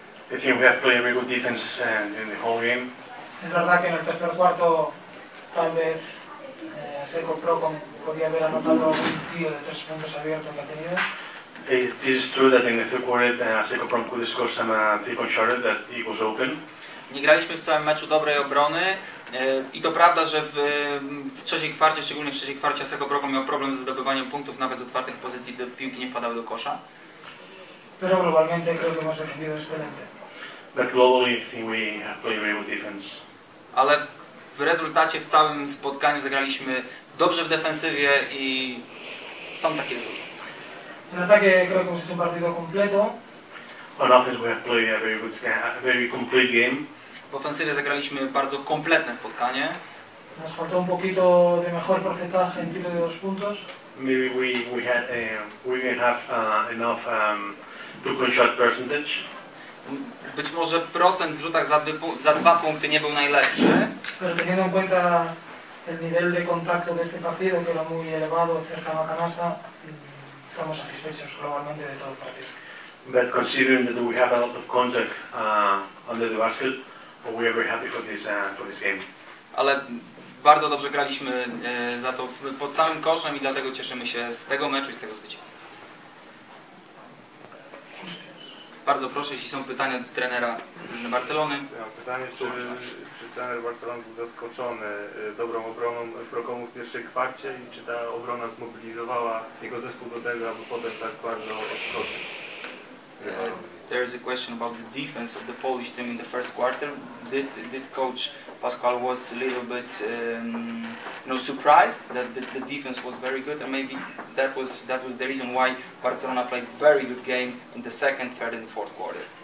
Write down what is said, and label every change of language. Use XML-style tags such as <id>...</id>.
<en>I think we have played a very good defense during the whole game.</en> <es>Es verdad que en el tercer cuarto tal vez Asseco Proton podía haber anotado un tiro de tres puntos abierto que ha tenido.</es> <en>It is true that in the third quarter Asseco Proton could score some three-point shooter that he was open.</en> <pl>Nie graliśmy w całym meczu dobrej obrony i to prawda, że w trzeciej kwarcie, szczególnie w trzeciej kwarcie, Asseco Proton miał problem ze zdobywaniem punktów nawet z otwartych pozycji, do piłki nie wpadały do kosza.</pl> <es>Pero globalmente creo que hemos defendido excelente.</es> <en>But globally, I think we have played very good defense.</en> <pl>Ale w rezultacie, w całym spotkaniu zagraliśmy dobrze w defensywie i stąd takie rzuty.</pl> <es>En ataque creo que hemos hecho un partido completo.</es> <en>On offense we have played a very good game, a very complete game.</en> <pl>W ofensywie zagraliśmy bardzo kompletne spotkanie.</pl> <es>Nos faltó un poquito de mejor porcentaje en tiro de dos puntos.</es> <en>Maybe we didn't have enough two-point shot percentage.</en> <pl>Być może procent w rzutach za dwa punkty nie był najlepszy.</pl> <es>Pero teniendo en cuenta el nivel de contacto de este partido, que era muy elevado, cerca de la canasta, estamos satisfechos globalmente de todo el partido.</es> <en>But considering that we have a lot of contact under the basket, we are very happy for this game.</en> <pl>Ale bardzo dobrze graliśmy za to pod samym koszem i dlatego cieszymy się z tego meczu i z tego zwycięstwa. Bardzo proszę, jeśli są pytania do trenera drużyny Barcelony. Ja mam pytanie, czy trener Barcelony był zaskoczony dobrą obroną Prokomu w pierwszej kwarcie i czy ta obrona zmobilizowała jego zespół do tego, aby potem tak bardzo odskoczyć?</pl> <en>There is a question about the defense of the Polish team in the first quarter. Did coach Pascual was a little bit surprised that the defense was very good, and maybe that was the reason why Barcelona played very good game in the second, third, and fourth quarter.</en>